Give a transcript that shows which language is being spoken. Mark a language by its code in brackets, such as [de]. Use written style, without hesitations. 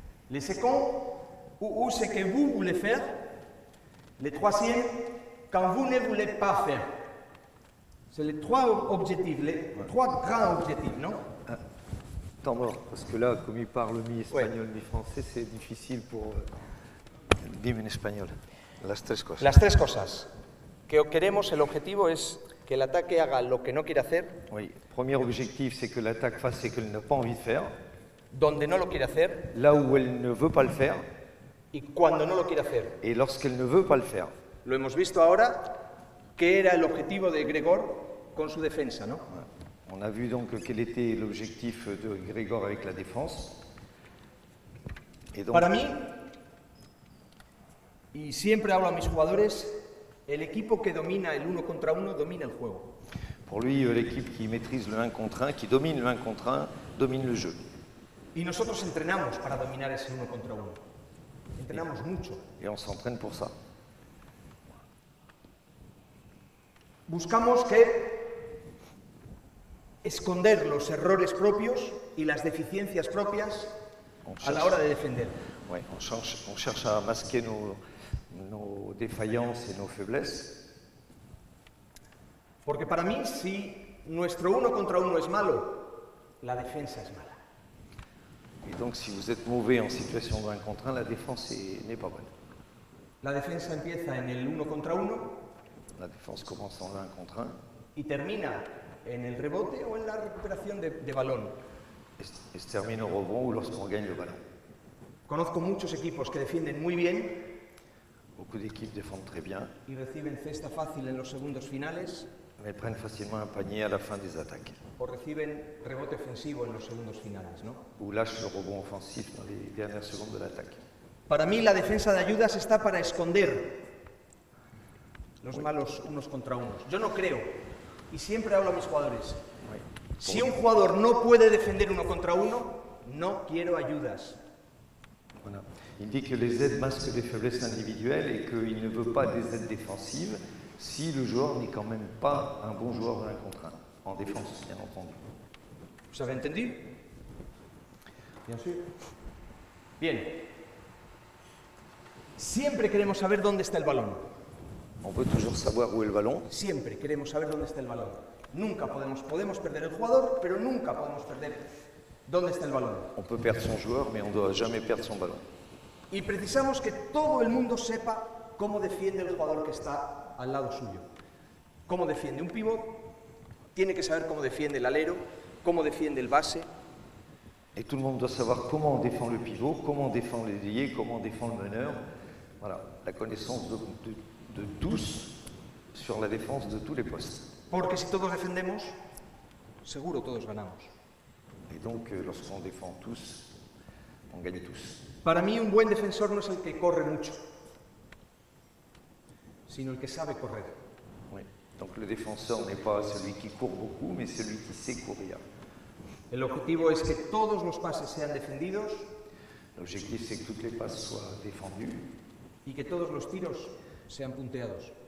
[fr] Le second, où c'est que vous voulez faire. Le troisième, quand vous ne voulez pas faire. C'est les trois objectifs, les trois grands objectifs, non? Temps mort, parce que là, comme il parle mi-espagnol, mi-français, c'est difficile pour. [es] Dime [fr] en espagnol. [es] Las tres cosas. Las tres cosas. Que queremos, el objetivo es que el ataque haga lo que no quiere hacer. [fr] Oui, premier objectif, c'est que l'attaque fasse ce qu'elle n'a pas envie de faire. [es] Donde no lo quiere hacer. [fr] Là où elle ne veut pas le faire. [es] Y cuando no lo quiere hacer. [fr] Et lorsqu'elle ne veut pas le faire. [es] Lo hemos visto ahora, que era el objetivo de Gregor con su defensa, ¿no? [fr] On a vu donc quel était l'objectif de Grégoire avec la défense. Et [es] Para [fr] donc. [es] mí, y siempre hablo a mis jugadores, el equipo que domina el uno contra uno domina el juego. [fr] Pour lui, l'équipe qui maîtrise le 1 contre 1, qui domine le 1 contre 1, domine le jeu. [es] Y nosotros entrenamos para dominar ese uno contra uno. Entrenamos mucho. [fr] Et on s'entraîne pour ça. [es] Buscamos que esconder los errores propios y las deficiencias propias [fr] à [es] la hora de [fr] défendre. Oui, on cherche à masquer nos défaillances et nos faiblesses. Parce que pour moi, si notre [es] uno [fr] contre uno est [es] malo, [fr] la défense est [es] mala. [fr] Et donc, si vous êtes mauvais en situation d'un contre un, la défense n'est pas bonne. [es] La [fr] défense [es] empieza en el uno [fr] contre [es] uno. [fr] La défense commence en l'un contre un. Et termine en [es] el rebote [fr] ou en la récupération de ballon. Et se termine au rebond ou lorsqu'on gagne le ballon. [es] Conozco muchos equipos que defienden muy bien. [fr] Beaucoup d'équipes défendent très bien. [es] Y reciben cesta fácil en los segundos finales. [fr] Mais prennent facilement un panier à la fin des attaques. [es] O reciben rebote ofensivo en los segundos finales, ¿no? [fr] Ou lâchent le rebond offensif dans les dernières secondes de l'attaque. [es] Para mí la defensa de ayudas está para esconder los malos unos contra unos. Yo no creo, y siempre hablo a mis jugadores, si un jugador no puede defender uno contra uno, no quiero ayudas. [fr] Voilà. Il dit que les aides masquent des faiblesses individuelles et qu'il ne veut pas des aides défensives si le joueur n'est quand même pas un bon joueur de l'un contre un, en défense, bien entendu. Vous avez entendu? Bien sûr. Bien. [es] Siempre queremos saber dónde está el balón. [fr] On veut toujours savoir où est le ballon. [es] Siempre queremos saber dónde está el balón. Nunca podemos perder el jugador, pero nunca podemos perder dónde está el balón. [fr] On peut perdre son joueur, mais on doit jamais perdre son ballon. [es] Y precisamos que todo el mundo sepa cómo defiende el jugador que está al lado suyo. Cómo defiende un pivot, tiene que saber cómo defiende el alero, cómo defiende el base. [fr] Et tout le monde doit savoir comment on défend le pivot, comment on défend l'ailier, comment on défend le meneur. Voilà, la connaissance de tous sur la défense de tous les postes. [es] Porque si todos defendemos, seguro todos ganamos. [fr] Et donc, lorsqu'on défend tous, on gagne tous. [es] Para mí, un buen defensor no es el que corre mucho, sino el que sabe correr. [fr] Oui, donc le défenseur n'est pas celui qui court beaucoup, mais celui qui sait courir. [es] El objetivo es que todos los pases sean defendidos. [fr] L'objectif c'est que toutes les passes soient défendues. [es] Y que todos los tiros sean punteados.